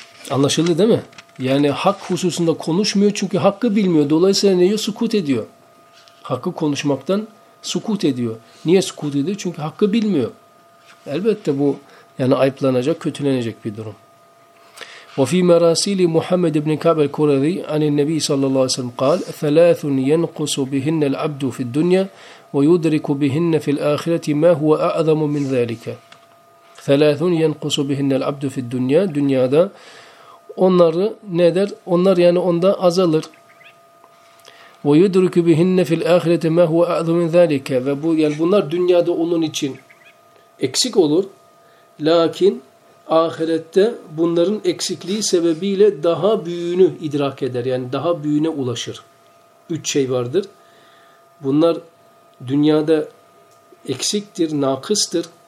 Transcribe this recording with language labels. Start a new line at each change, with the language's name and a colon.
Turkish: Anlaşıldı değil mi? Yani hak hususunda konuşmuyor çünkü hakkı bilmiyor. Dolayısıyla neye sukut ediyor? Hakkı konuşmaktan sukut ediyor. Niye sukut ediyor? Çünkü hakkı bilmiyor. Elbette bu yani ayıplanacak, kötülenecek bir durum.
Arabic: وفي مراسيل محمد بن كعب الكوري عن النبي صلى الله عليه وسلم قال ثلاث ينقص بهن العبد في الدنيا ويدرك بهن في الآخرة ما هو أعظم من ذلك. ثلاث ينقص بهن العبد في الدنيا.
Turkish: Dünyada onları ne der? Onlar yani onda azalır.
Arabic: ويدرك بهن في الآخرة ما هو أعظم من ذلك.
Turkish: Ve bu, yani bunlar dünyada onun için eksik olur. Lakin ahirette bunların eksikliği sebebiyle daha büyüğünü idrak eder. Yani daha büyüğüne ulaşır. Üç şey vardır. Bunlar dünyada eksiktir, nakıstır.